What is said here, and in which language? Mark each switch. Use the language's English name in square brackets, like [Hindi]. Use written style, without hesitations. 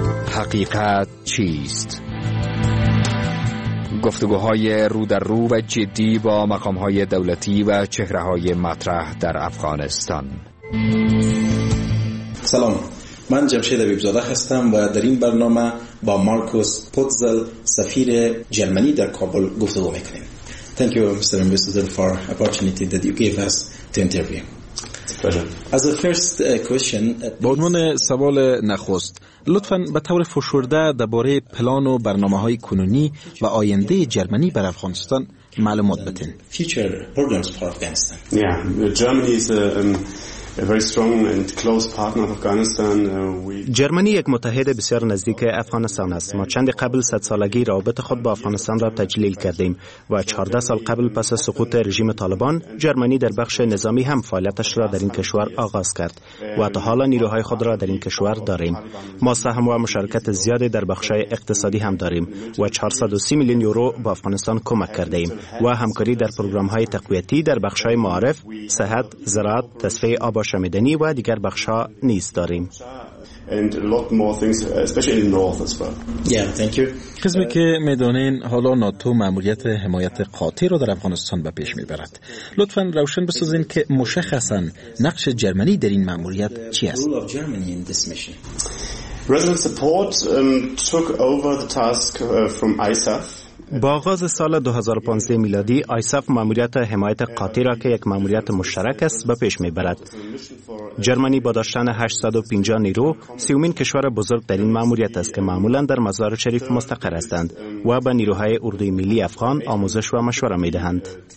[Persian] حقیقت چیست؟ گفتگوهای رو در رو و جدی با مقامهای دولتی و چهرههای مطرح در افغانستان. سلام، من جمشید بیبزاده هستم و در این برنامه با مارکوس پوتزل سفیر جرمنی در کابل گفتگو میکنیم. [English] Thank you, Mr. Ambassador, for the opportunity that you gave us to interview. Pleasure. As a first question, [Persian] به عنوان سوال نخست، لطفاً به طور فشرده درباره پلان و برنامه‌های کنونی و آینده جرمنی بر افغانستان معلومات بدین. [English] Future programs for Afghanistan. Yeah, Germany is A very strong and close partner of Afghanistan. [Persian] جرمنی یک متحد بسیار نزدیک افغانستان است. ما چند قبل 100 سالگی رابطه خود با افغانستان را تجلیل کردیم و 14 سال قبل پس از سقوط رژیم طالبان جرمنی در بخش نظامی هم فعالیتش را در این کشور آغاز کرد و تا حالا نیروهای خود را در این کشور داریم. ما سهم و مشارکت زیادی در بخش‌های اقتصادی هم داریم و 430 میلیون یورو به افغانستان کمک کردیم و همکاری در پروگرام‌های تقویتی در بخش‌های معارف، صحت، زراعت، تصفیه آب شمیدنی و دیگر بخش‌ها نیز داریم. [English] And a lot more things, especially in north as well. Yeah, thank you. [Persian] قسمی که میدونین حالا ناتو ماموریت حمایت قاطع رو در افغانستان به پیش میبرد. لطفاً روشن بسازین که مشخصاً نقش جرمنی در این ماموریت چی است. [English] Role of Germany in this mission. Resident support took over the task from ISAF. [Persian] با آغاز سال 2015 میلادی ISAF ماموریت حمایت قاطع را که یک ماموریت مشترک است به پیش میبرد. جرمنی با داشتن 850 نیرو سیومین کشور بزرگ در این ماموریت است که معمولا در مزار شریف مستقر هستند و به نیروهای اردوی ملی افغان آموزش و مشوره میدهند.